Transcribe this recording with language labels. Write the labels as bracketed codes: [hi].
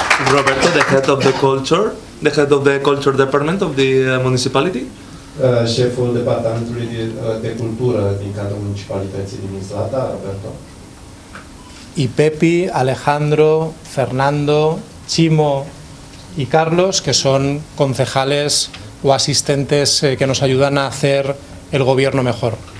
[en] Roberto, the head of the culture, the head of the culture department of the municipality. [ro] Șeful departamentului de cultură din cadrul municipalității din Mislata, Roberto. [es] Y Pepi, Alejandro, Fernando, Chimo y Carlos, que son concejales o asistentes que nos ayudan a hacer el gobierno mejor.